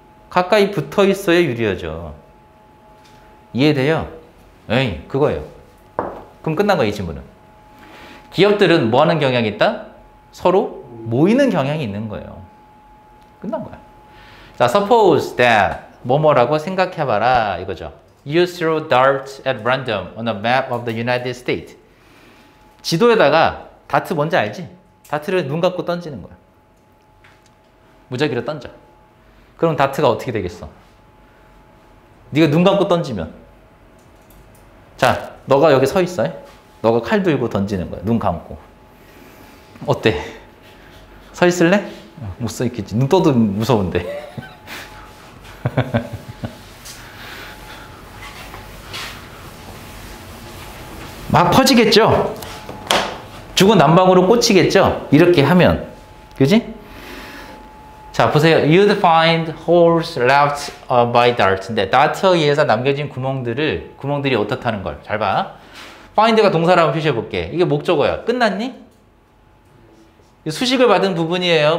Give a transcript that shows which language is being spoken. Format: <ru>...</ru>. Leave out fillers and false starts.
<ko>가까이 붙어 있어야 유리하죠. 이해돼요? 에이 그거예요. 그럼 끝난 거예요 이 질문은. 기업들은 뭐 하는 경향이 있다? 서로 모이는 경향이 있는 거예요. 끝난 거야. 자,</ko> <en>suppose that</en> <ko>뭐뭐라고 생각해봐라 이거죠.</ko> <en>You throw darts at random on a map of the United States.</en> <ko>지도에다가 다트 뭔지 알지? 다트를 눈 감고 던지는 거야. 무작위로 던져. 그럼 다트가 어떻게 되겠어? 네가 눈 감고 던지면. 자, 너가 여기 서 있어. 너가 칼 들고 던지는 거야. 눈 감고. 어때? 서 있을래? 못 서 있겠지. 눈 떠도 무서운데. 막 퍼지겠죠? 죽은 난방으로 꽂히겠죠? 이렇게 하면. 그지? 자, 보세요.</ko> <en>You'd find holes left by darts.</en> <ko>근데 다트에 의해서 남겨진 구멍들을, 구멍들이 어떻다는 걸 잘 봐. find가 동사로 한번 표시해볼게. 이게 목적어야. 끝났니? 수식을 받은 부분이에요.</ko>